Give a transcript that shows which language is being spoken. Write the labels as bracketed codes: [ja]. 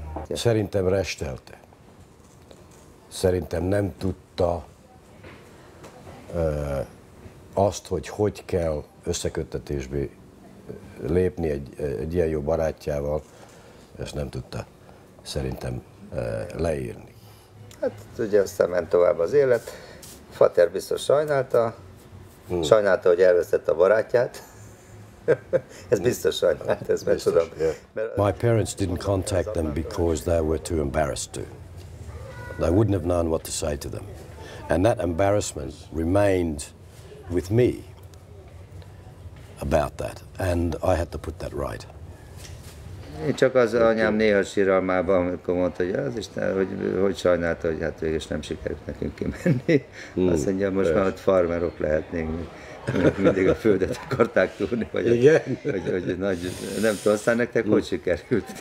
[hu] Szerintem restelte. Szerintem nem tudta azt, hogy kell összeköttetésbe lépni egy ilyen jó barátjával. Ezt nem tudta szerintem leírni. Hát ugye aztán ment tovább az élet. Fater biztos sajnálta. Hmm. Sajnálta, hogy elvesztette a barátját. Ez biztos sajnálat, ez meg tudom. [en] Yeah. My parents didn't contact them because they were too embarrassed to. They wouldn't have known what to say to them. And that embarrassment remained with me about that. And I had to put that right. [hu] Én csak az anyám néha síralmában, amikor mondta, hogy az Isten, hogy sajnálta, hogy hát végül is nem sikerült nekünk kimenni. Azt mondja, most már ott farmerok lehetnénk, mindig a földet akarták túlni. Vagy igen. Hogy nagy, nem tudom, aztán nektek hogy sikerült?